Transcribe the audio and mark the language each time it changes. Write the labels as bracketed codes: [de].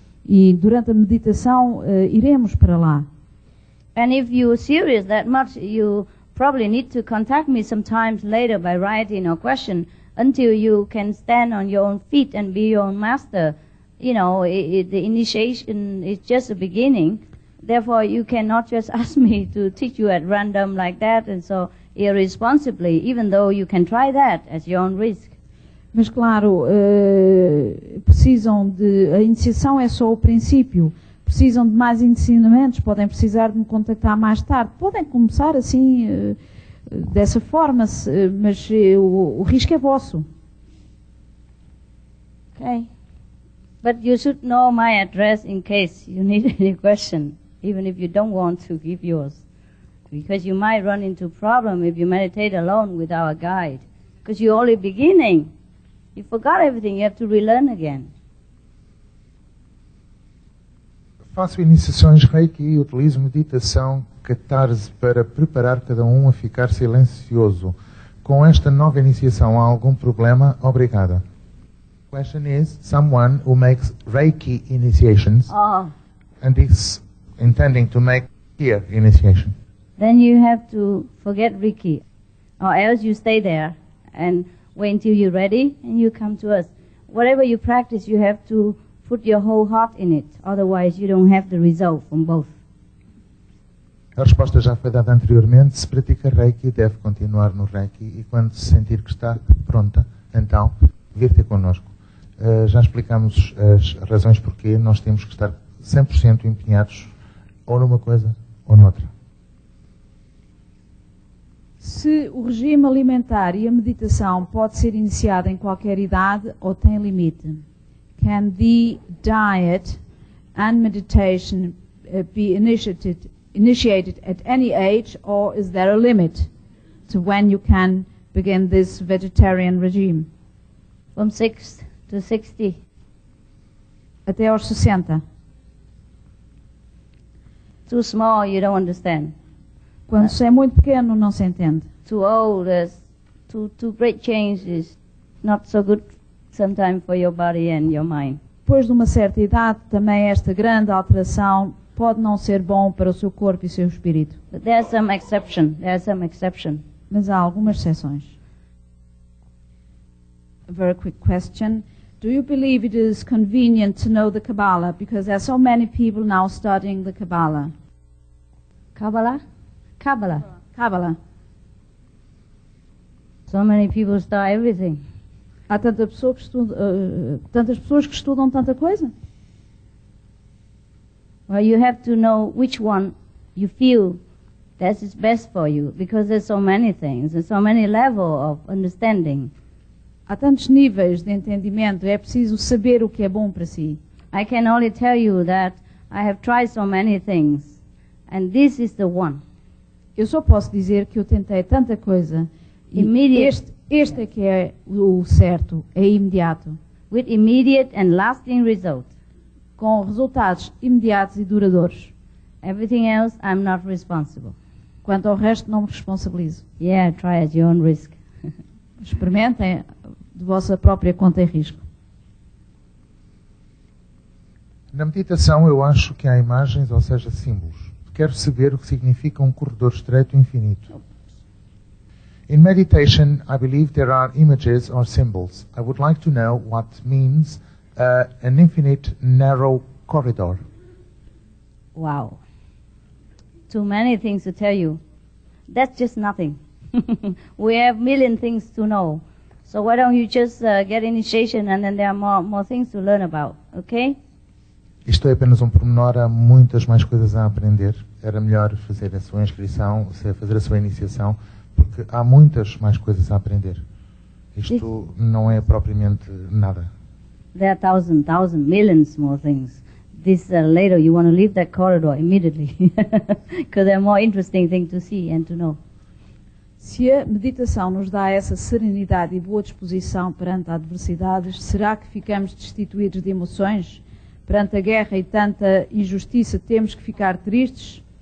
[pt] E durante a meditação iremos para lá. [en] And if you're serious that much, you probably need to contact me sometimes later by writing or question until you can stand on your own feet and be your own master. You know, the initiation is just a beginning. Therefore, you cannot just ask me to teach you at random like that and so irresponsibly, even though you can try that at your own risk. [pt] Mas claro, precisam de... A iniciação é só o princípio. Precisam de mais ensinamentos, podem precisar de me contactar mais tarde. Podem começar assim, dessa forma, mas o risco é vosso. [en] Ok. But you should know my address in case you need any question, even if you don't want to give yours. Because you might run into problem if you meditate alone without a guide. Because you're only beginning. You forgot everything. You have to relearn again. [pt] Faço iniciações Reiki e utilizo meditação catarse para preparar cada a ficar silencioso. Com esta nova iniciação, há algum problema? Obrigada. [en] Question is, someone who makes Reiki initiations and is intending to make here initiation. Then you have to forget Reiki, or else you stay there and wait until you're ready and you come to us. Whatever you practice, you have to put your whole heart in it. Otherwise, you don't have the result from both. [pt] A resposta já foi dada anteriormente. Se pratica Reiki, deve continuar no Reiki. E quando se sentir que está pronta, então, vir ter connosco. Já explicamos as razões porque nós temos que estar 100% empenhados ou numa coisa ou noutra. Se o regime alimentar e a meditação pode ser iniciado em qualquer idade ou tem limite? [en] Can the diet and meditation be initiated at any age, or is there a limit to when you can begin this vegetarian regime? From 6 to 60. [pt] Até aos 60. [en] Too small, you don't understand. [pt] Quando se é muito pequeno, não se entende. [en] Too old, too great changes, not so good sometimes for your body and your mind. [pt] Depois de uma certa idade, também esta grande alteração pode não ser bom para o seu corpo e seu espírito. [en] But there's some exception. There's some exception. [pt] Mas há algumas exceções. [en] A very quick question. Do you believe it is convenient to know the Kabbalah? Because there are so many people now studying the Kabbalah. Kabbalah? Kabbalah. Kabbalah. So many people study everything. [pt] Há tanta pessoa que estuda, tantas pessoas que estudam tanta coisa. [en] Well, you have to know which one you feel that is best for you, because there's so many things, there's so many levels of understanding. [pt] Há tantos níveis de entendimento, é preciso saber o que é bom para si. [en] I can only tell you that I have tried so many things, and this is the one. [pt] Eu só posso dizer que eu tentei tanta coisa, este é que é o certo, é imediato. [en] With immediate and lasting results. [pt] Com resultados imediatos e duradouros. [en] Everything else, I'm not responsible. [pt] Quanto ao resto, não me responsabilizo. [en] Yeah, try at your own risk. [pt] Experimentem de vossa própria conta e risco. Na meditação, eu acho que há imagens, ou seja, símbolos. Quero saber o que significa um corredor estreito e infinito. [en] In meditation, I believe there are images or symbols. I would like to know what means an infinite narrow corridor. Wow. Too many things to tell you. That's just nothing. We have a million things to know. So why don't you just get initiation and then there are more things to learn about, okay? [pt] Isto é apenas pormenor, há muitas mais coisas a aprender. Era melhor fazer a sua inscrição, fazer a sua iniciação, porque há muitas mais coisas a aprender. Isto não é propriamente nada. [en] There are thousands, millions more things. This later, you want to leave that corridor immediately. Because there are more interesting things to see and to know. [pt] Se a meditação nos dá essa serenidade e boa disposição perante adversidades, será que ficamos destituídos de emoções? Perante a guerra e tanta injustiça, temos que ficar tristes?